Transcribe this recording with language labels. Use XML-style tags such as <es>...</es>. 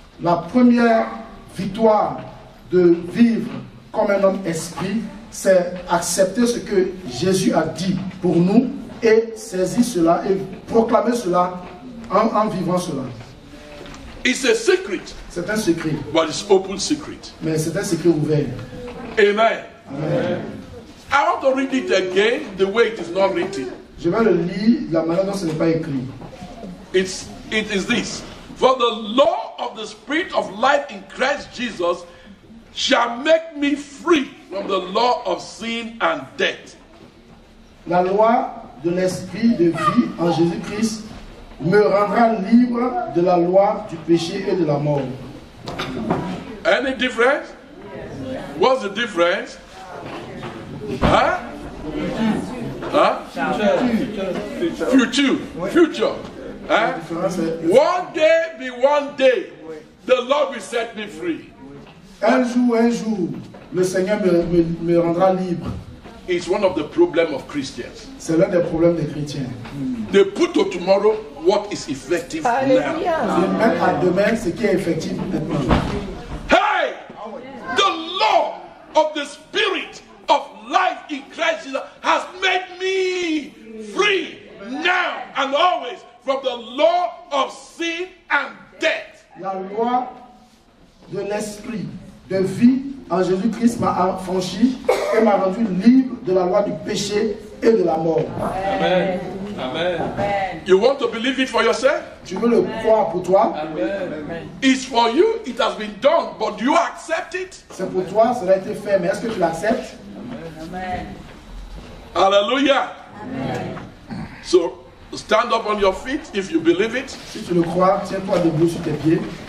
<fr>La première victoire de vivre comme un homme esprit, c'est accepter ce que Jésus a dit pour nous et saisir cela et proclamer cela en vivant cela.</fr> <en>It's a secret.</en> <fr>C'est un secret.</fr> <en>But it's open secret.</en> <fr>Mais c'est un secret ouvert. Amen. Amen.</fr> <en>I want to read it again the way it is not written.</en> <fr>Je vais le lire la manière dont ce n'est pas écrit.</fr> <en>It is this. For the law of the spirit of life in Christ Jesus shall make me free from the law of sin and death.</en> <fr>La loi de l'esprit de vie en Jésus-Christ me rendra libre de la loi du péché et de la mort.</fr> <en>Any difference? What's the difference? Future. Huh? One day be one day, the Lord will set me free.</en> <fr>Un jour, le Seigneur me rendra libre.</fr> <en>It's one of the problems of Christians.</en> <fr>C'est l'un des problèmes des chrétiens.</fr> <en>They put to tomorrow what is effective now.</en> <fr>Ils mettent à demain ce qui est effectif maintenant.</fr> <en>Hey! The law of the spirit of life in Christ Jesus has made me free now and always from the law of sin and death.</en> <fr>La loi de l'esprit de vie en Jésus-Christ m'a affranchi et m'a rendu libre de la loi du péché et de la mort. Amen. Amen.</fr> <en>You want to believe it for yourself?</en> <fr>Tu veux le croire pour toi? Amen.</fr> <en>It's for you, it has been done, but do you accept it?</en> <fr>C'est pour toi, ça a été fait, mais est-ce que tu l'acceptes? Amen. Hallelujah. Amen.</fr> <en>So, stand up on your feet if you believe it.</en> <fr>Si tu le crois, tiens-toi debout sur tes pieds.</fr>